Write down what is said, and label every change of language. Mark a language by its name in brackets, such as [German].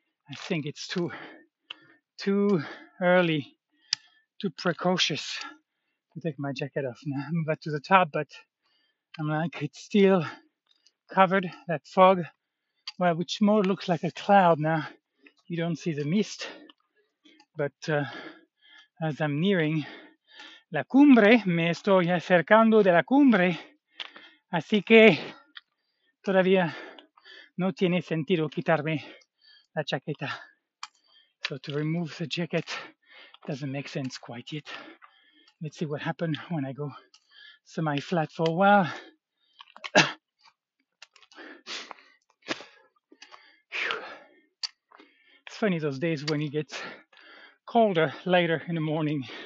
[English] I think it's too early, too precocious to take my jacket off. Now I'm back to the top, but I'm like, it's still covered, that fog, well, which more looks like a cloud now. You don't see the mist, but as I'm nearing [Spanish] la cumbre, me estoy acercando de la cumbre, así que todavía no tiene sentido quitarme la chaqueta. [English] So to remove the jacket doesn't make sense quite yet. Let's see what happens when I go semi-flat for a while. It's funny those days when it gets colder later in the morning.